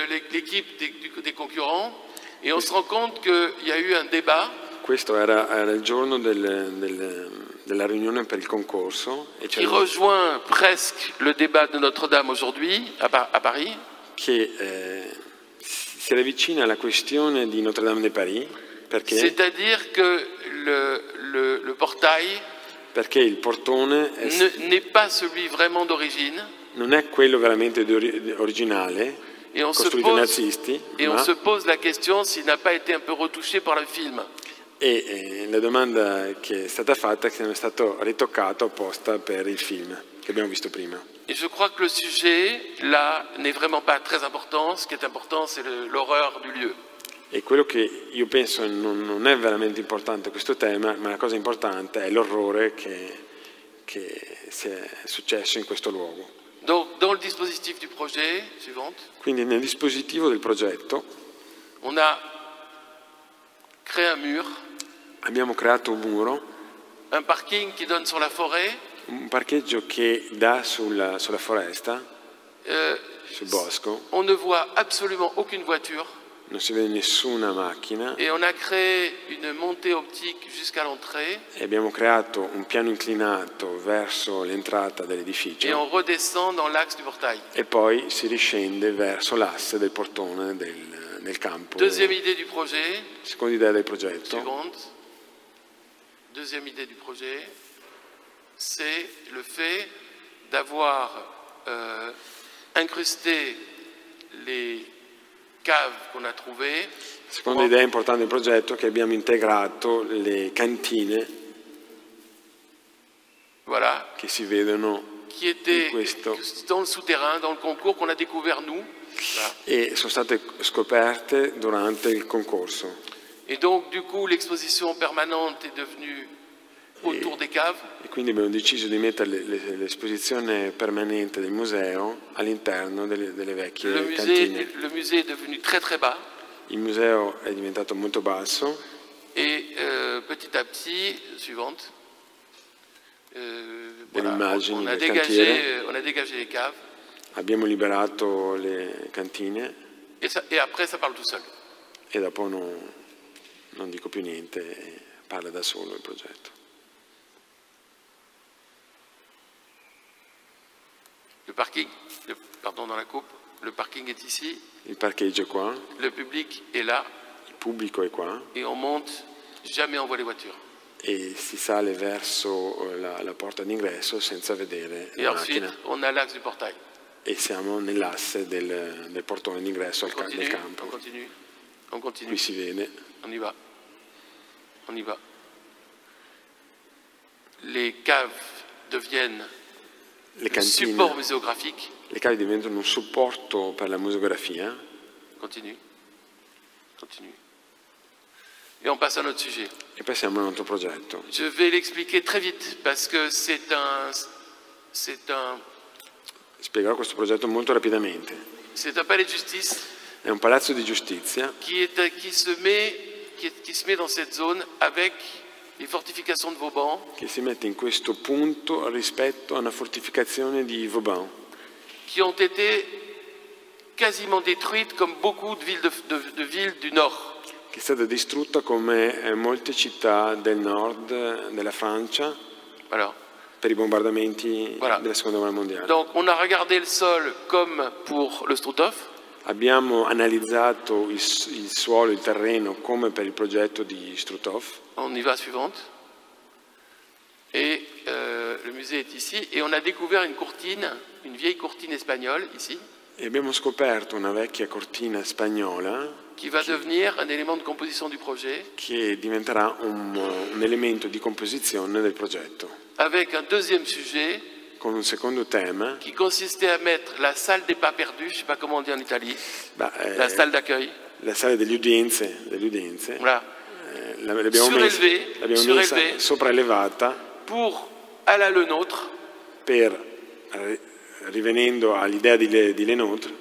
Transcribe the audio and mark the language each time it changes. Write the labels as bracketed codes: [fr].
[fr] L'équipe des concurrents. Et on se rend compte qu'il y a eu un débat. [it] Questo era il giorno della riunione per il concorso. [fr] Et qui rejoint presque le débat de Notre-Dame aujourd'hui à Paris. [it] Che si avvicina alla questione di Notre-Dame de Paris. Perché? [fr] C'est-à-dire que le portail. [it] Perché il portone [fr] n'est pas celui vraiment d'origine. [it] Non è quello veramente originale. [fr] Et on [it] costruito [fr] pose, [it] nazisti, [fr] et on se pose la question s'il n'a pas été un peu retouché par le film. [it] Et la domanda che è stata fatta è che non è stato ritoccato apposta per il film che abbiamo visto prima. [fr] Et je crois que le sujet là n'est vraiment pas très important. Ce qui est important, c'est l'horreur du lieu. [it] Et quello che io penso non è veramente importante questo tema, ma la cosa importante è l'orrore che si è successo in questo luogo. [fr] Donc, dans le dispositif du projet, suivante. [it] Quindi nel dispositivo del progetto. [fr] On a créé un mur. [it] Abbiamo creato un muro. [fr] Un parking qui donne sur la forêt. [it] Un parcheggio che dà sulla foresta. Sul bosco. [fr] On ne voit absolument aucune voiture. [it] Non si vede nessuna macchina. [fr] Et on a créé une montée optique jusqu'à l'entrée. [it] E abbiamo creato un piano inclinato verso l'entrata dell'edificio. [fr] Et on redescend dans l'axe du portail. [it] E poi si riscende verso l'asse del portone del campo. [fr] Deuxième idée du projet. [it] Seconda idea del progetto. [fr] Deuxième idée du projet, c'est le fait d'avoir incrusté les caves qu'on a trouvées. [it] Seconda idea importante del progetto, che abbiamo integrato le cantine. [fr] Voilà. [it] Che si vedono. [fr] Qui étaient dans le souterrain, dans le concours qu'on a découvert nous. [it] E sono state scoperte durante il concorso. [fr] Et donc, du coup, l'exposition permanente est devenue autour des caves. [it] E quindi abbiamo deciso di mettere l'esposizione permanente del museo all'interno delle vecchie cantine. [fr] Le musée est devenu très très bas. [it] Il museo è diventato molto basso. [fr] Et petit à petit, suivante. [it] Dell'immagine, [fr] voilà, on a dégagé les caves. [it] Abbiamo liberato le cantine. [fr] Et après, ça parle tout seul. [it] E dopo non dico più niente, parla da solo il progetto. [fr] Le parking, dans la coupe, le parking est ici. [it] Il parcheggio qua. Le public est là. Il pubblico è qua. [fr] Et on monte, jamais on voit les voitures. [it] E si sale verso la porta d'ingresso senza vedere la macchina. [fr] Et ensuite, on a l'axe du portail. [it] E siamo nell'asse del portone d'ingresso del campo. [fr] On continue. [it] Qui si vede. [fr] On y va. Les caves deviennent support muséographique. [it] Le cave diventano un supporto per la museografia. [fr] Continue. Et on passe à un autre sujet. [it] E passiamo a un altro progetto. [fr] Je vais l'expliquer très vite parce que c'est un. [it] Spiegherò questo progetto molto rapidamente. [fr] C'est un palais de justice. [it] È un palazzo di giustizia. [fr] Qui se met dans cette zone avec les fortifications de Vauban, [it] che si mette in questo punto rispetto a una fortificazione di Vauban, [fr] qui ont été quasiment détruites comme beaucoup de villes de villes du nord, [it] che è stata distrutta come molte città del nord della Francia, [fr] alors, [it] per i bombardamenti voilà. Della seconda guerra mondiale. [fr] Donc on a regardé le sol comme pour le Struthof. [it] Abbiamo analizzato il suolo, il terreno come per il progetto di Struthof. [fr] On y va suivante. Le musée est ici et on a découvert une vieille cortina spagnola ici. [it] E abbiamo scoperto una vecchia cortina spagnola [fr] qui va devenir un élément de composition du projet. [it] Che diventerà un elemento di composizione del progetto. [fr] Avec un deuxième sujet. [it] Con un secondo tema [fr] qui consistait à mettre la salle des pas perdus, je sais pas comment on dit en Italie, la salle d'accueil, [it] la salle delle udienze, [fr] voilà. [it] L'abbiamo messa sopraelevata [fr] pour aller à Le Nôtre, [it] per rivenendo all'idea di Le Nôtre,